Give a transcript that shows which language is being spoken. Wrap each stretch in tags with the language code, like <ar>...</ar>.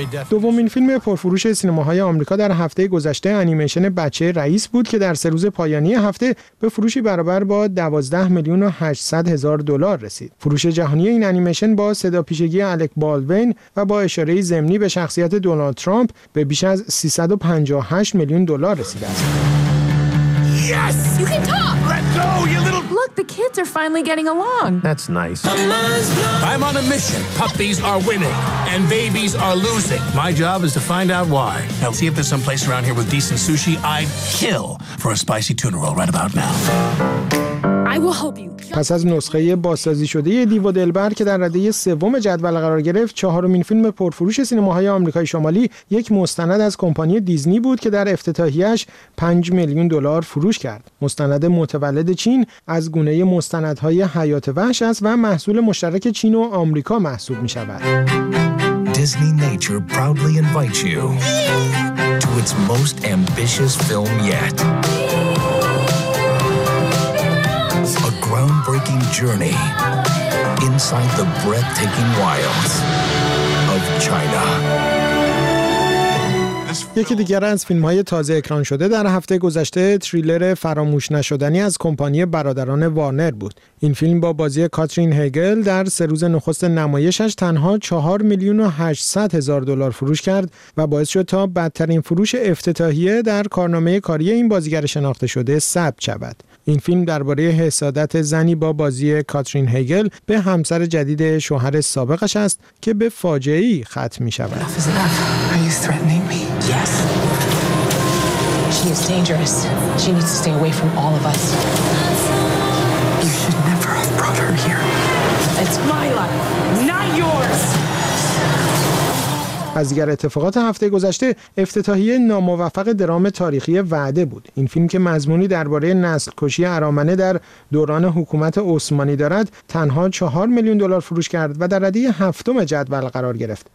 <fa>دومین فیلم پرفروش سینماهای آمریکا در هفته گذشته انیمیشن بچه رئیس بود که در سه روز پایانی هفته به فروشی برابر با 12 میلیون 800 هزار دلار رسید. فروش جهانی این انیمیشن با صداپیشگی الک بالوین و با اشاره ضمنی به شخصیت دونالد ترامپ به بیش از 358 میلیون دلار رسید.</fa> <en>Yes! You can talk! The kids are finally getting along. That's nice. I'm on a mission. Puppies are winning and babies are losing. My job is to find out why. Now see if there's some place around here with decent sushi. I'd kill for a spicy tuna roll right about now.</en> <fa>پس از نسخه بازسازی شده دیو و دلبر که در رده سوم جدول قرار گرفت، چهارمین فیلم پرفروش سینماهای آمریکای شمالی یک مستند از کمپانی دیزنی بود که در افتتاحیه‌اش 5 میلیون دلار فروش کرد. مستند متولد چین از گونه مستندهای حیات وحش است و محصول مشترک چین و آمریکا محسوب می‌شود.</fa> <en>Disney Nature proudly invites you to its most ambitious film yet. Groundbreaking journey inside the breathtaking wilds of China.</en> <fa>یکی دیگر از فیلم‌های تازه اکران شده در هفته گذشته تریلر فراموش نشدنی از کمپانی برادران وارنر بود. این فیلم با بازی کاترین هگل در سه روز نخست نمایشش تنها 4 میلیون و 800 هزار دلار فروش کرد و باعث شد تا بدترین فروش افتتاحیه در کارنامه کاری این بازیگر شناخته شده ثبت شود. این فیلم درباره حسادت زنی با بازی کاترین هگل به همسر جدید شوهر سابقش است که به فاجعه‌ای ختم می‌شود.</fa> <en>She is dangerous. She needs to stay away from all of us. You should never have brought her here. It's my life, not yours.</en> <fa>از دیگر اتفاقات هفته گذشته، افتتاحیه ناموفق درام تاریخی وعده بود. این فیلم که مضمونی درباره نسل کشی ارامنه در دوران حکومت عثمانی دارد، تنها 4 میلیون دلار فروش کرد و در رده هفتم جدول قرار گرفت.</fa>